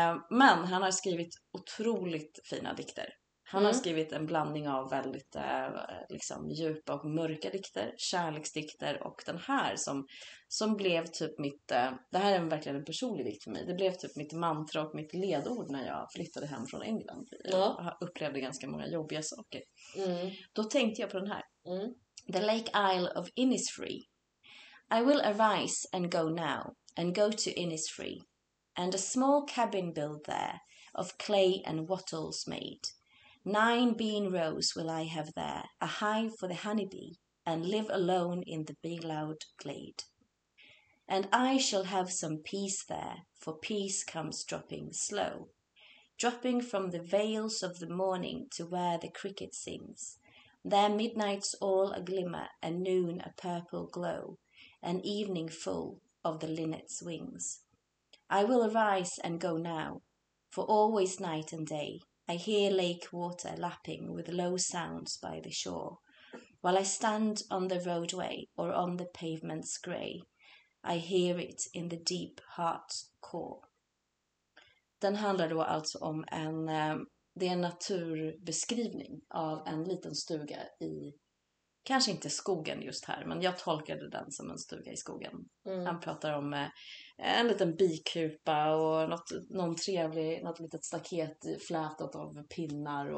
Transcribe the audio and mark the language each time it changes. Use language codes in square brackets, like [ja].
[sv] Men han har skrivit otroligt fina dikter. Han har skrivit en blandning av väldigt liksom, djupa och mörka dikter, kärleksdikter och den här som blev typ mitt, det här är verkligen en personlig dikt för mig. Det blev typ mitt mantra och mitt ledord när jag flyttade hem från England. Ja. Jag upplevde ganska många jobbiga saker. Mm. Då tänkte jag på den här. Mm. [en] The Lake Isle of Innisfree. I will arise and go now and go to Innisfree and a small cabin built there of clay and wattles made. 9 bean rows will I have there, a hive for the honeybee, and live alone in the beloved glade. And I shall have some peace there, for peace comes dropping slow, dropping from the veils of the morning to where the cricket sings, there midnight's all a glimmer, and noon a purple glow, and evening full of the linnet's wings. I will arise and go now, for always night and day, I hear lake water lapping with low sounds by the shore. While I stand on the roadway or on the pavement's grey, I hear it in the deep heart's core. [sv] Den handlar då alltså om en, det är en naturbeskrivning av en liten stuga i, kanske inte skogen just här, men jag tolkade den som en stuga i skogen. Mm. Han pratar om en liten bikupa och någon trevlig, något litet staket flätat av pinnar.